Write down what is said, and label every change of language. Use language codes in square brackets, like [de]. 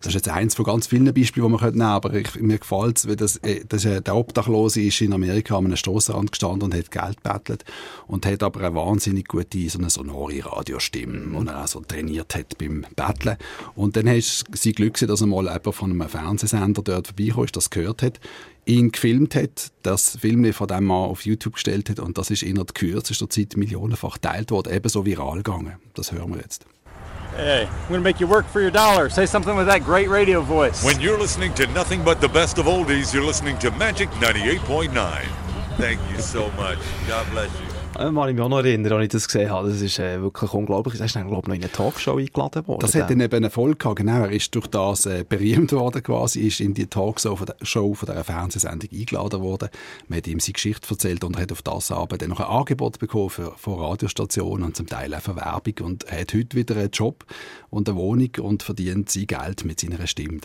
[de] Das ist jetzt eins von ganz vielen Beispielen, die man nehmen könnte, aber mir gefällt es, weil der Obdachlose ist in Amerika an einem Strassenrand gestanden und hat Geld bettelt und hat aber eine wahnsinnig gute so eine sonore Radiostimme, die er auch so trainiert hat beim Betteln. Und dann ist sein Glück, dass einmal jemand von einem Fernsehsender dort vorbeikam, das gehört hat, ihn gefilmt hat, das Film von dem Mann auf YouTube gestellt hat, und das ist in der kürzester Zeit millionenfach geteilt worden, ebenso viral gegangen. Das hören wir jetzt. [en] Hey, I'm gonna make you work for your dollar. Say something with that great radio voice. When you're listening to nothing but the best of oldies, you're listening to Magic 98.9. Thank you so much. God bless you. [de] Mal ich mich auch noch erinnern, als ich das gesehen habe. Das ist wirklich unglaublich. Das ist dann, glaube ich, noch in eine Talkshow eingeladen worden. Das hat dann eben Erfolg gehabt. Genau, er ist durch das berühmt worden quasi, ist in die Talkshow von dieser Fernsehsendung eingeladen worden. Man hat ihm seine Geschichte erzählt und hat auf das Abend dann noch ein Angebot bekommen von Radiostationen und zum Teil auch für Werbung, und hat heute wieder einen Job und eine Wohnung und verdient sein Geld mit seiner Stimme.